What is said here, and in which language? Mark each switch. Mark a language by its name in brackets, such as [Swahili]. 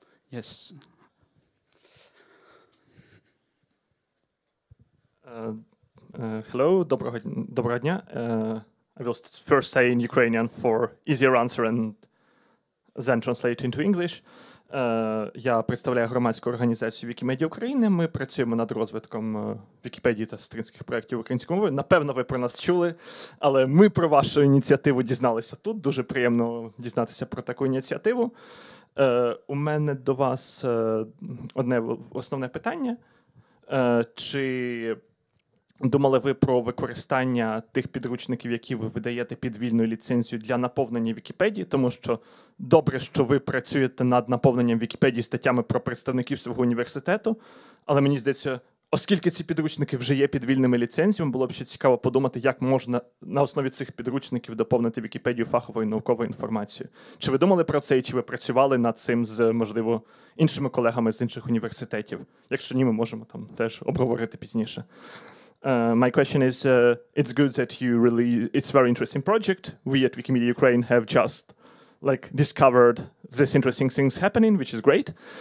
[English] Yes. Uh, Hello, [Ukrainian] доброго дня. [English] I will first say in Ukrainian for easier answer and then translate into English. [Ukrainian] Я представляю громадську організацію Вікімедія України. Ми працюємо над розвитком Вікіпедії та сестринських проєктів українською мовою. Напевно, ви про нас чули, але ми про вашу ініціативу дізналися тут. Дуже приємно дізнатися про таку ініціативу. У мене до вас одне основне питання. Чи думали ви про використання тих підручників, які ви видаєте під вільною ліцензією для наповнення Вікіпедії? Тому що добре, що ви працюєте над наповненням Вікіпедії статтями про представників свого університету, але мені здається, оскільки ці підручники вже є під вільними ліцензіями, було б ще цікаво подумати, як можна на основі цих підручників доповнити Вікіпедію фаховою науковою інформацією. Чи ви думали про це і чи ви працювали над цим з, можливо, іншими колегами з інших університетів? Якщо ні, ми можемо там теж обговорити пізніше. [English] My question is, it's good that you really, it's very interesting project. We at Wikimedia Ukraine have just like discovered this interesting things happening, which is great.